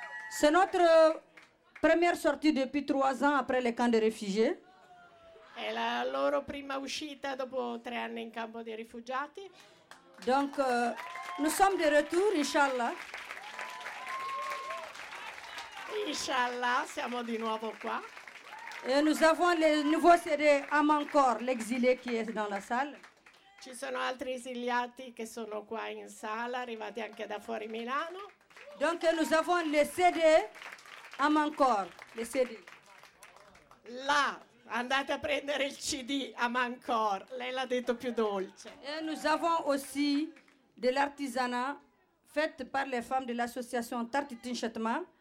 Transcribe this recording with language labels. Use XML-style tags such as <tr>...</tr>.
<fr>c'est notre première sortie depuis 3 ans après les camps de réfugiés.</fr> <it>Et la loro prima uscita dopo 3 anni in campo dei rifugiati.</it> <fr>Donc nous sommes de retour, Inch'Allah.</fr> <it>Inch'Allah, siamo di nuovo qua.</it> <fr>Et nous avons le nouveau CD Am encore, l'exilé qui est dans la salle.</fr> <it>Ci sono altri esiliati che sono qua in sala, arrivati anche da fuori Milano.</it> <fr>Donc nous avons le CD Am encore, le CD.</fr> <it>Là, andate a prendere il CD Am encore. Lei l'ha detto più dolce.</it> <fr>Et nous avons aussi de l'artisanat fait par les femmes de l'association Tartitin Chetma.</fr>